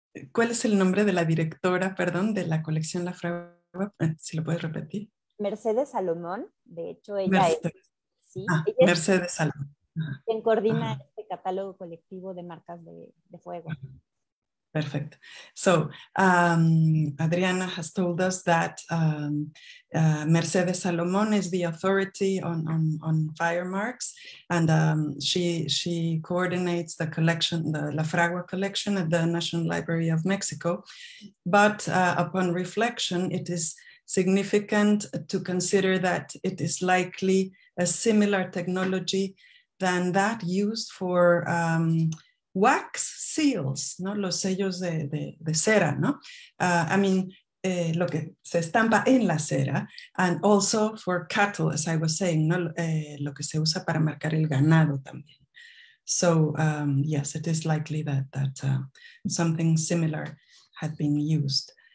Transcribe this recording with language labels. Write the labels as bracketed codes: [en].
[es] ¿Cuál es el nombre de la directora, perdón, de la colección La Fragua? Si lo puedes repetir. Mercedes Salomón, de hecho ella Mercedes. Ella Mercedes es Salomón. Quien coordina este catálogo colectivo de marcas de fuego. [en] Perfect. So Adriana has told us that Mercedes Salomón is the authority on fire marks, and she coordinates the collection, the La Fragua collection at the National Library of Mexico. But upon reflection, it is significant to consider that it is likely a similar technology than that used for wax seals, ¿no? [es] Los sellos de cera, ¿no? Lo que se estampa en la cera, [en] and also for cattle, as I was saying, [es] ¿no? Lo que se usa para marcar el ganado también. [en] So, yes, it is likely that something similar had been used.